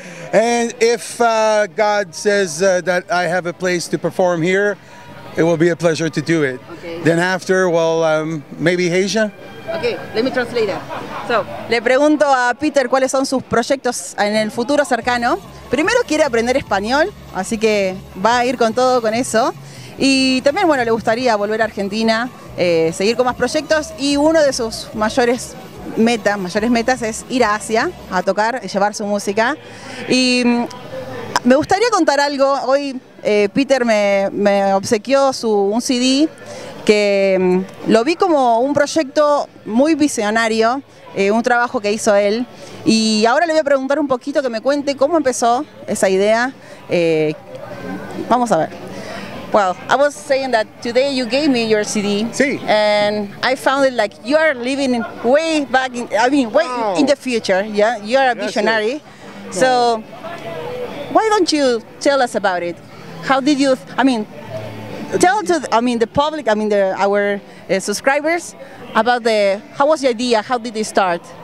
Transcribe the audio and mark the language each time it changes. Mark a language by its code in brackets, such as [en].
[en] And if God says that I have a place to perform here, it will be a pleasure to do it. Okay. Then after, well, maybe Asia. Okay, let me translate it. So, [es] le pregunto a Peter cuáles son sus proyectos en el futuro cercano. Primero quiere aprender español, así que va a ir con todo con eso. Y también, bueno, le gustaría volver a Argentina, seguir con más proyectos. Y uno de sus mayores metas es ir a Asia a tocar y llevar su música. Y me gustaría contar algo. Hoy Peter me obsequió un CD que lo vi como un proyecto muy visionario, un trabajo que hizo él. Y ahora le voy a preguntar un poquito, que me cuente cómo empezó esa idea. Vamos a ver. [en] Well, I was saying that today you gave me your CD. [es] Sí. [en] And I found it like you are living way back in, I mean, way wow. in the future. Yeah, you are a visionary. So, why don't you tell us about it? How did you, tell to, the public, our subscribers, about the, how was the idea, how did it start?